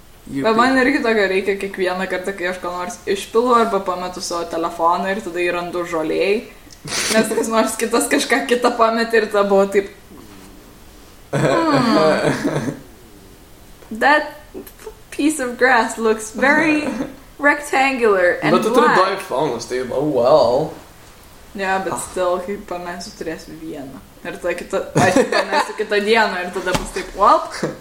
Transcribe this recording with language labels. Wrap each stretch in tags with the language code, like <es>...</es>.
<en>You bet</en> <lt>man irgi tokio reikia kiekvieną kartą, kai aš ką nors išpilu arba pametu savo telefoną ir tada įrandu žoliai. Nes kas nors kitas kažką kitą pametė ir tada buvo taip...</lt> <en>That piece of grass looks very rectangular and black.</en> <lt>Bet tu turi du iPhones, taip,</lt> <en>oh well.</en> <lt>Ne, yeah,</lt> <en>bet still,</en> <lt>kai pamesiu, turėsiu vieną. Ir tada kitą, pamesiu kitą dieną ir tada bus taip, well...</lt>